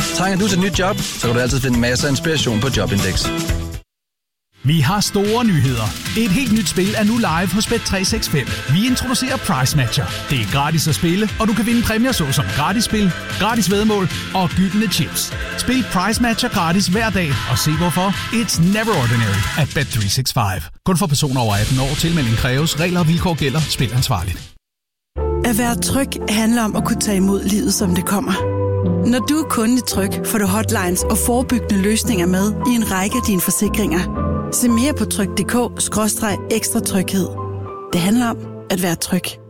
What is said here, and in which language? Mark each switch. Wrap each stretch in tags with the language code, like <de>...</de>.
<da>Trænger du til et nyt job, så kan du altid finde masser af inspiration på Jobindex. Vi har store nyheder. Et helt nyt spil er nu live hos Bet365. Vi introducerer Price Matcher. Det er gratis at spille, og du kan vinde præmier såsom gratis spil, gratis væddemål og gyldne chips. Spil Price Matcher gratis hver dag og se hvorfor.</da> <en>It's never ordinary at Bet365.</en> <da>Kun for personer over 18 år. Tilmelding kræves. Regler og vilkår gælder. Spil ansvarligt. At være tryg handler om at kunne tage imod livet, som det kommer. Når du er kundelig tryg, får du hotlines og forebyggende løsninger med i en række af dine forsikringer. Se mere på tryg.dk/ekstra tryghed. Det handler om at være tryg.</da>